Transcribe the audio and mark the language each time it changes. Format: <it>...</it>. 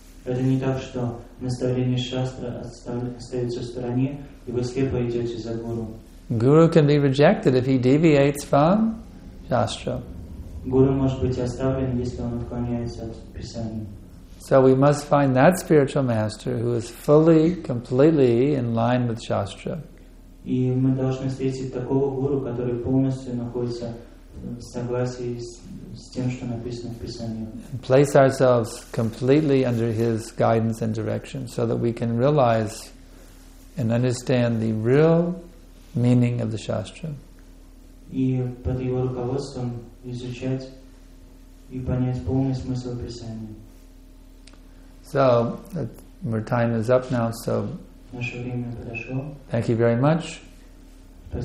<en>Guru can be rejected if he deviates from shastra. So we must find that spiritual master who is fully, completely in line with shastra.</en> <ru>И мы должны встретить такого гуру, который полностью находится в согласии с тем, что написано в Писании.</ru> <en>Place ourselves completely under his guidance and direction so that we can realize and understand the real meaning of the Shastra.</en> <ru>И под его руководством изучать и понять полный смысл Писания.</ru> <en>So, our time is up now, so thank you very much. Gantaraj Srimad Bhagavatam ki jai.</en>